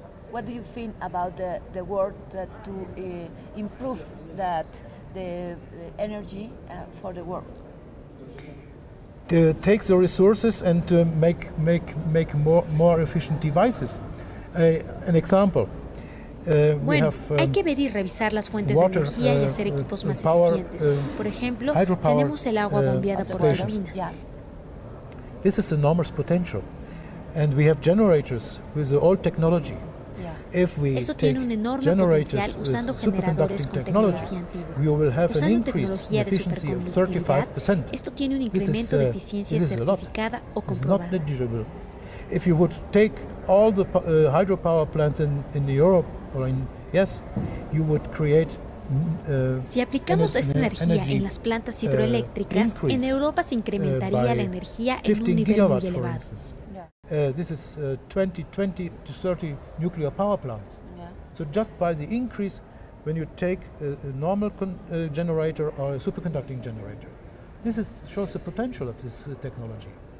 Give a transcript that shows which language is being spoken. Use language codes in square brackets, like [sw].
[en] What do you think about the world to improve that the energy for the world? To take the resources and to make more efficient devices. An example. [es] Hay que ver y revisar las fuentes de energía y hacer equipos más eficientes. Por ejemplo, tenemos el agua bombeada por turbinas. [en] This is enormous potential, and we have generators with the old technology. [es] Eso tiene un enorme potencial usando generadores con tecnología antigua. Usando tecnología de superconductividad, esto tiene un incremento de eficiencia certificada o comprobada. [en] If you would take all the hydropower plants in Europe or in yes, you would create. [es] Si aplicamos esta energía en las plantas hidroeléctricas, en Europa se incrementaría la energía en un nivel muy elevado. [en] This is 20 to 30 nuclear power plants. Yeah. So just by the increase, when you take a normal generator or a superconducting generator, this is, shows the potential of this technology.